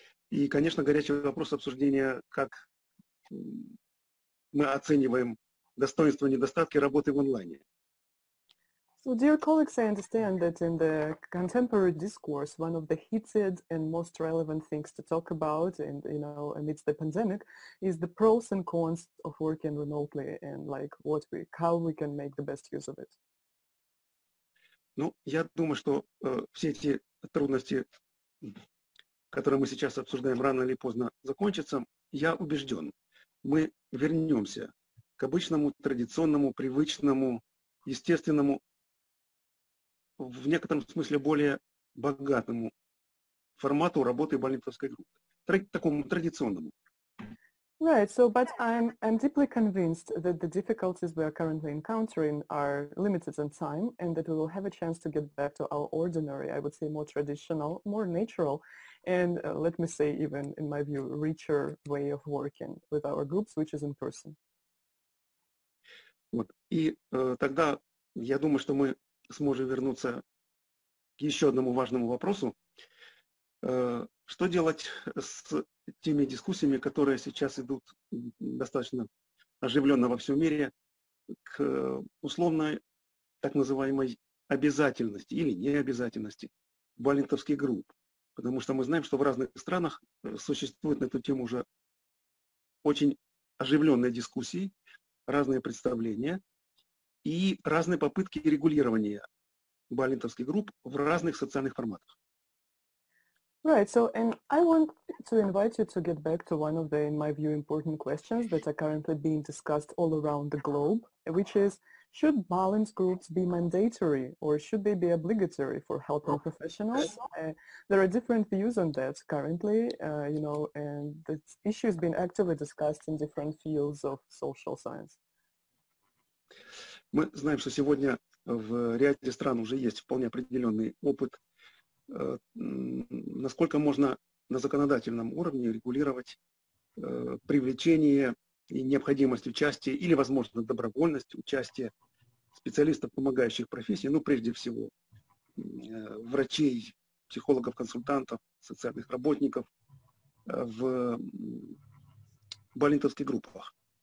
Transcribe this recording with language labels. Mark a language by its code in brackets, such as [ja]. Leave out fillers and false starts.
[ru] И, конечно, горячий вопрос обсуждения, как мы оцениваем достоинства и недостатки работы в онлайне. [en] So, dear colleagues, I understand that in the contemporary discourse, one of the heated and most relevant things to talk about, and you know, amidst the pandemic, is the pros and cons of working remotely and like what we, how we can make the best use of it. [ru] Ну, я думаю, что все эти трудности, которые мы сейчас обсуждаем, рано или поздно закончатся. Я убежден, мы вернемся к обычному, традиционному, привычному, естественному, в некотором смысле более богатому формату работы Балинтовской группы, такому традиционному. [en] Right, so, but I'm deeply convinced that the difficulties we are currently encountering are limited in time and that we will have a chance to get back to our ordinary, I would say more traditional, more natural, and let me say even, in my view, richer way of working with our groups, which is in person. [ru] Вот. И тогда я думаю, что мы сможем вернуться к еще одному важному вопросу. Что делать с теми дискуссиями, которые сейчас идут достаточно оживленно во всем мире, к условной так называемой обязательности или необязательности балинтовских групп? Потому что мы знаем, что в разных странах существуют на эту тему уже очень оживленные дискуссии, разные представления и разные попытки регулирования балинтовских групп в разных социальных форматах. [en] Right, so, and I want to invite you to get back to one of the, in my view, important questions that are currently being discussed all around the globe, which is, should balinth groups be mandatory or should they be obligatory for helping professionals? There are different views on that currently, you know, and the issue has been actively discussed in different fields of social science. [ru] Мы знаем, что сегодня в ряде стран уже есть вполне определенный опыт, насколько можно на законодательном уровне регулировать привлечение и необходимость участия или, возможно, добровольность участия специалистов, помогающих профессии, ну, прежде всего, врачей, психологов, консультантов, социальных работников в балинтовских группах.